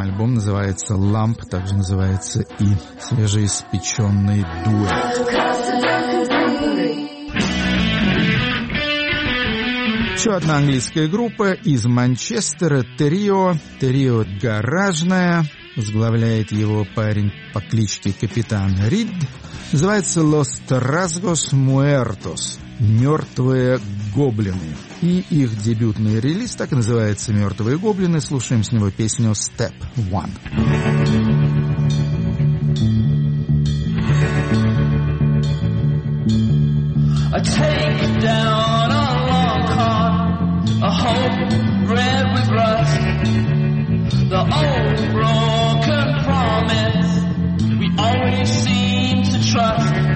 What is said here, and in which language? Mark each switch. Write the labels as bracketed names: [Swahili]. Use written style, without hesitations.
[Russian] Альбом называется «Lamp», также называется и свежеиспеченный дуэт. Еще одна английская группа из Манчестера, Трио. Трио гаражное, возглавляет его парень по кличке Капитан Рид. Называется «Los Trasgos Muertos». «Мертвые гоблины». И их дебютный релиз так и называется «Мертвые гоблины». Слушаем с него песню «Step One». [English] I take down a long cord, a hope red with rust, the old broken promise we always seem to trust.